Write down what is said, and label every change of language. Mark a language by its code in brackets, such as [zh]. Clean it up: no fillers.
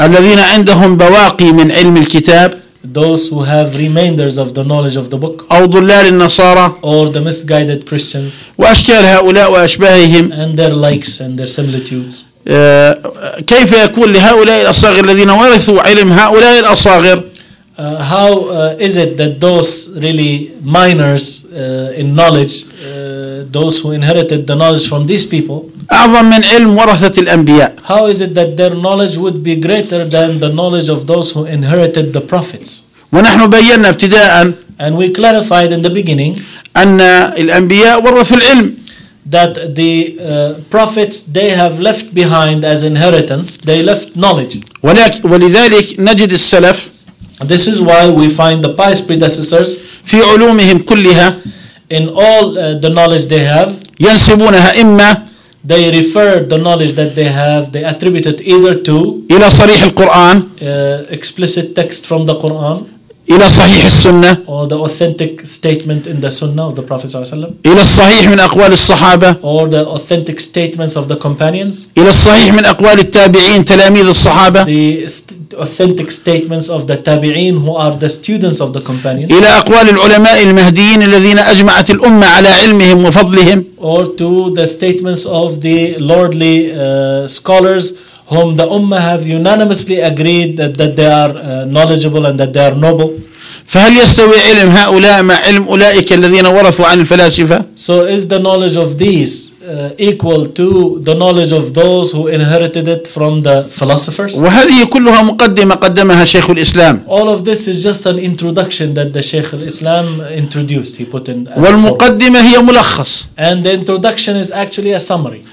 [ar] الذين عندهم بواقي من علم الكتاب. [en] Those who have remainders of the knowledge of the book. [ar] أو ضلال النصارى. [en] Or the misguided Christians. [ar] وأشكال هؤلاء وأشباههم. [en] And their likes and their similitudes. [ar] كيف يكون لهؤلاء الأصاغر الذين ورثوا علم هؤلاء الأصاغر. [en] How is it that those really minors in knowledge, those who inherited the knowledge from these people, [ar] أعظم من علم ورثة الأنبياء. [en] How is it that their knowledge would be greater than the knowledge of those who inherited the prophets? [ar] ونحن بينا ابتداء. [en] And we clarified in the beginning. [ar] أن الأنبياء ورثوا العلم. [en] That the prophets they have left behind as inheritance, they left knowledge. [ar] ولذلك نجد السلف. [en] This is why we find the pious predecessors [ar] في علومهم كلها [en] in all the knowledge they have [ar] ينسبونها إما [en] they refer the knowledge that they have they attribute it either to [ar] إلى صريح القرآن [en] explicit text from the Quran [ar] إلى صحيح السنة [en] or the authentic statement in the Sunnah of the Prophet [ar] صلى الله عليه وسلم إلى الصحيح من أقوال الصحابة [en] or the authentic statements of the companions [ar] إلى الصحيح من أقوال التابعين تلاميذ الصحابة [en] authentic statements of the tabi'in who are the students of the companions [ar] إلى أقوال العلماء المهديين الذين أجمعت الأمة على علمهم وفضلهم [en] or to the statements of the lordly scholars whom the Ummah have unanimously agreed that they are knowledgeable and that they are noble. [ar] فهل يستوي علم هؤلاء مع علم أولئك الذين ورثوا عن الفلاسفة؟ [en] So is the knowledge of these equal to the knowledge of those who inherited it from the philosophers? [ar] وهذه كلها مقدمة قدمها شيخ الإسلام. [en] All of this is just an introduction that the Sheikh al-Islam introduced. He put in. [ar] والمقدمة هي ملخص. [en] And the introduction is actually a summary.